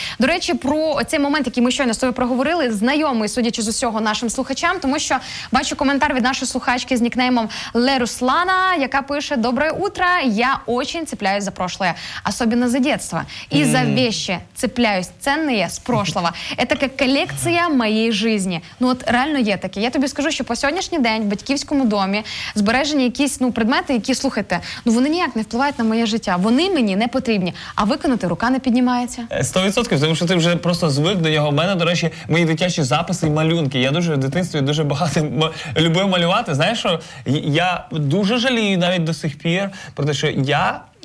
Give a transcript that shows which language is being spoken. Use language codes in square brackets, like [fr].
[uk] До речі, про цей момент, який ми щойно з тобою проговорили, знайомий, судячи з усього, нашим слухачам, тому що бачу коментар від нашої слухачки з нікнеймом Леруслана, яка пише: [ru] «Доброе утро, я очень цепляюсь за прошлое, особенно за детство, и за вещи цепляюсь ценные с прошлого. Это как коллекция моей жизни». [uk] Ну от реально є таке. Я тобі скажу, що по сьогоднішній день в батьківському домі збережені якісь, ну, предмети, які, слухайте, ну вони ніяк не впливають на моє життя, вони мені не потрібні, а виконати рука не піднімається. 100%, тому що ти вже просто звик до нього. У мене, до речі, мої дитячі записи і малюнки. Я дуже в дитинстві дуже багато любив малювати. Знаєш, що я дуже жалію навіть до сих пір про те, що я...